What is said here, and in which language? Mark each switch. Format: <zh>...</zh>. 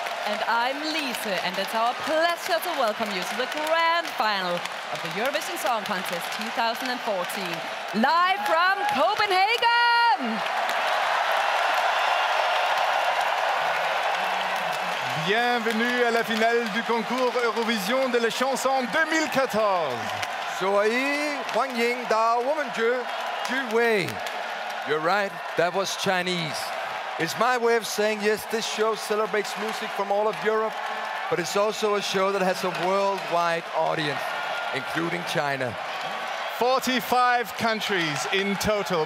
<en>And I'm Lise, and it's our pleasure to welcome you to the grand final of the Eurovision Song Contest 2014, live from Copenhagen!</en> <fr>Bienvenue à la finale du concours Eurovision de la chanson 2014. Soyez Huangying Da Woman Ju Wei.</fr> <en>You're right, that was Chinese. It's my way of saying, yes, this show celebrates music from all of Europe. but it's also a show that has a worldwide audience, including China. 45 countries in total.</en>